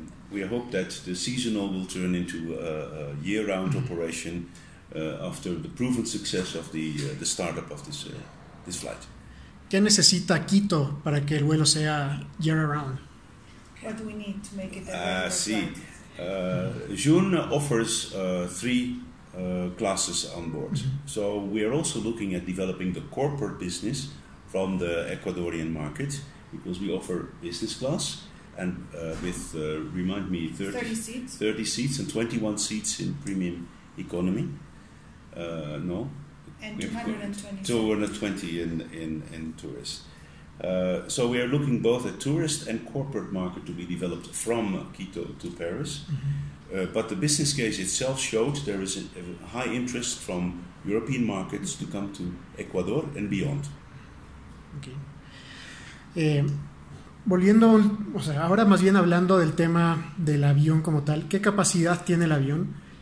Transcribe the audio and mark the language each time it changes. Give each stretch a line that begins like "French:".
English: We hope that the seasonal will turn into a year-round operation after the proven success of the startup of this flight.
Spanish: ¿Qué necesita Quito para que el vuelo sea year-round?
English: What do we need to make it a See, June offers three classes on board. So we are also looking at developing the corporate business from the Ecuadorian market because we offer business class and with, remind me, 30 seats and 21 seats in premium economy. No. And 220. 220 in tourists. So we are looking both at tourist and corporate market to be developed from Quito to Paris. But the business case itself showed there is a high interest from European markets to come to Ecuador and beyond. Okay.
Spanish: Volviendo, o sea, ahora más bien hablando del tema del avión como tal, ¿qué capacidad tiene el avión?